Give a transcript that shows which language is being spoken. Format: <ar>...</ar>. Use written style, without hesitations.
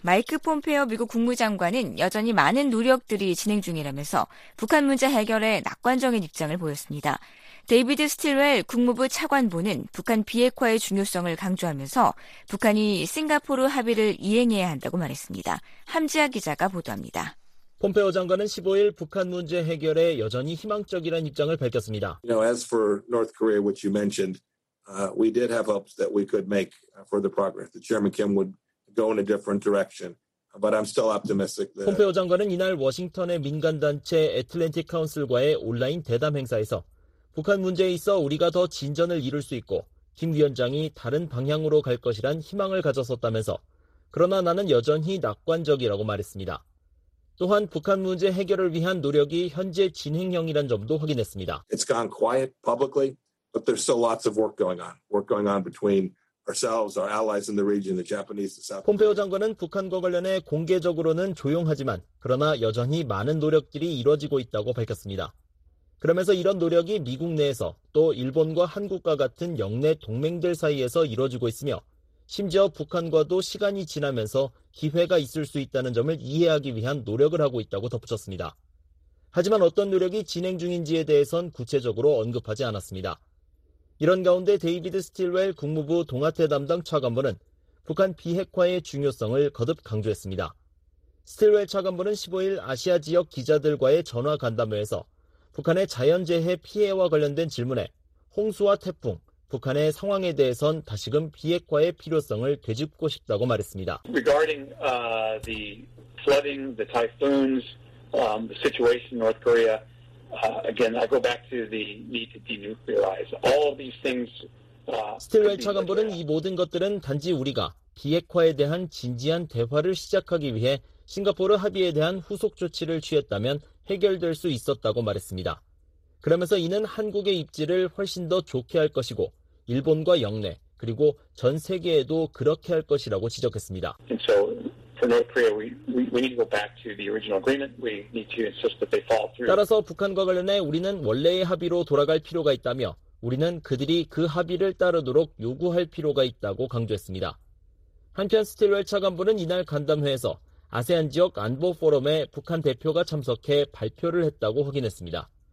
<ko>마이크 폼페오 미국 국무장관은 여전히 많은 노력들이 진행 중이라면서 북한 문제 해결에 낙관적인 입장을 보였습니다. 데이비드 스틸웰 국무부 차관보는 북한 비핵화의 중요성을 강조하면서 북한이 싱가포르 합의를 이행해야 한다고 말했습니다. 함지아 기자가 보도합니다. 폼페오 장관은 15일 북한 문제 해결에 여전히 희망적이라는 입장을 밝혔습니다.</ko> <en>You know, as for North Korea, which you mentioned, we did have hopes that we could make further progress. The Chairman Kim would go in a different direction. But I'm still optimistic that...</en> <ko>폼페오 장관은 이날 워싱턴의 민간단체 애틀랜틱 카운슬과의 온라인 대담 행사에서 북한 문제에 있어 우리가 더 진전을 이룰 수 있고 김 위원장이 다른 방향으로 갈 것이란 희망을 가졌었다면서 그러나 나는 여전히 낙관적이라고 말했습니다. 또한 북한 문제 해결을 위한 노력이 현재 진행형이란 점도 확인했습니다.</ko> <en>It's gone quiet publicly, but there's still lots of work going on. Work going on between ourselves, our allies in the region, the Japanese, the South Korea.</en> <ko>폼페오 장관은 북한과 관련해 공개적으로는 조용하지만 그러나 여전히 많은 노력들이 이루어지고 있다고 밝혔습니다. 그러면서 이런 노력이 미국 내에서 또 일본과 한국과 같은 영내 동맹들 사이에서 이루어지고 있으며 심지어 북한과도 시간이 지나면서 기회가 있을 수 있다는 점을 이해하기 위한 노력을 하고 있다고 덧붙였습니다. 하지만 어떤 노력이 진행 중인지에 대해선 구체적으로 언급하지 않았습니다. 이런 가운데 데이비드 스틸웰 국무부 동아태 담당 차관보는 북한 비핵화의 중요성을 거듭 강조했습니다. 스틸웰 차관보는 15일 아시아 지역 기자들과의 전화 간담회에서 북한의 자연재해 피해와 관련된 질문에 홍수와 태풍, 북한의 상황에 대해선 다시금 비핵화의 필요성을 되짚고 싶다고 말했습니다.</ko> <en>Regarding the flooding, the typhoons, the situation in North Korea, again, I go back to the need to denuclearize. All of these things.</en> <ko>스틸웰 차관보는 이 모든 것들은 단지 우리가 비핵화에 대한 진지한 대화를 시작하기 위해 싱가포르 합의에 대한 후속 조치를 취했다면 해결될 수 있었다고 말했습니다. 그러면서 이는 한국의 입지를 훨씬 더 좋게 할 것이고 일본과 영내 그리고 전 세계에도 그렇게 할 것이라고 지적했습니다.</ko> <en>And so for North Korea, we need to go back to the original agreement. We need to insist that they follow through.</en> <ko>따라서 북한과 관련해 우리는 원래의 합의로 돌아갈 필요가 있다며 우리는 그들이 그 합의를 따르도록 요구할 필요가 있다고 강조했습니다. 한편 스틸웰 차관보는 이날 간담회에서 아세안 지역 안보 포럼에 북한 대표가 참석해 발표를 했다고 확인했습니다.</ko>